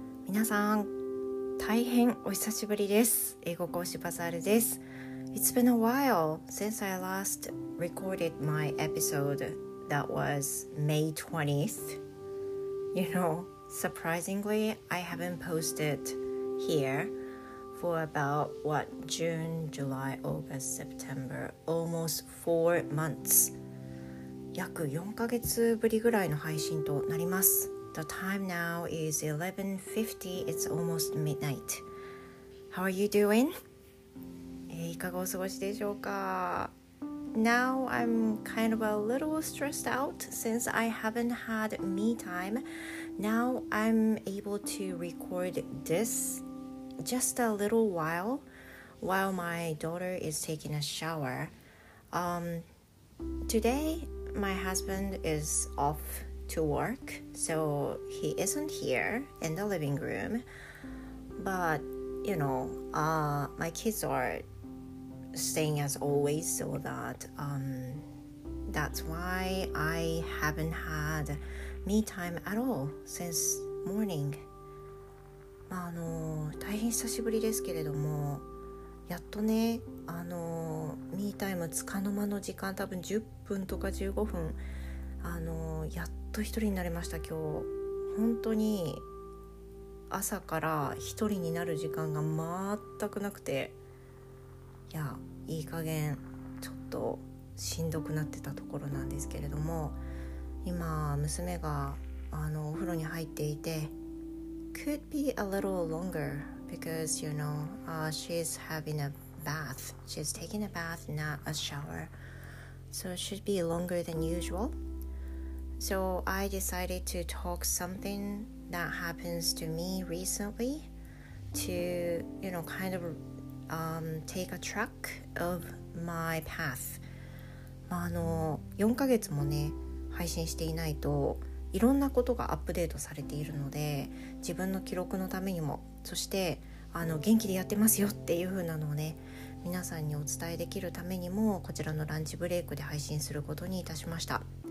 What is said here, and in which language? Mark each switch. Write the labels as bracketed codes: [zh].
[ja] 皆さん、大変お久しぶりです。英語講師バザールです。 [en] It's been a while since I last recorded my episode that was May 20th. You know, surprisingly, I haven't posted here for about, what, June, July, August, September, almost 4 months. [ja] 約4ヶ月ぶりぐらいの配信となります。 [en] The time now is 11:50. It's almost midnight. How are you doing? [ja] いかがお過ごしでしょうか? [en] Now I'm kind of a little stressed out since I haven't had me time. Now I'm able to record this just a little while my daughter is taking a shower. Today... My husband is off to work, so he isn't here in the living room. But, you know, my kids are staying as always, so that's why I haven't had me time at all since morning. [ja] まあ、大変久しぶりですけれども、やっとね、ミータイムつかの間の時間、多分10分とか15分、やっと一人になれました。今日本当に朝から一人になる時間が全くなくて、いや、いい加減ちょっとしんどくなってたところなんですけれども、今娘がお風呂に入っていて、 [en] Could be a little longer because you know, she's having a bath. She's taking a bath, not a shower. So it should be longer than usual. So I decided to talk something that happens to me recently to, you know, kind of take a track of my path. [ja] まあ、4ヶ月もね、配信していないといろんなことがアップデートされているので、自分の記録のためにも、そして元気でやってますよっていう風なのをね、皆さんにお伝えできるためにも、こちらのランチブレイクで配信することにいたしました。